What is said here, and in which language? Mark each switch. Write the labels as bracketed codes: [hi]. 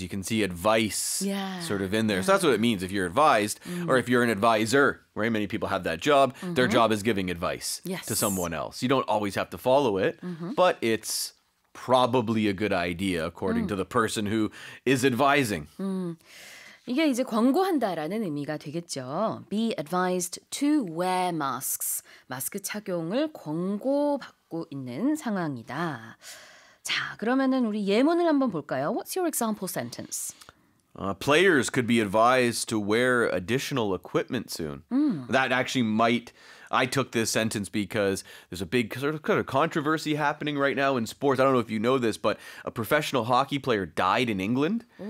[en] You can see advice sort of in there. Yeah. So that's what it means if you're advised or if you're an advisor. Very many people have that job. Mm-hmm. Their job is giving advice to someone else. You don't always have to follow it, but it's probably a good idea according to the person who is advising. [ko] 이게 이제 권고한다라는 의미가 되겠죠. [en] Be advised to wear masks. [ko] 마스크 착용을 권고받고 있는 상황이다. 자, 그러면은 우리 예문을 한번 볼까요? [en] What's your example sentence? Players could be advised to wear additional equipment soon. That actually might... I took this sentence because there's a big sort of controversy happening right now in sports. I don't know if you know this, but a professional hockey player died in England.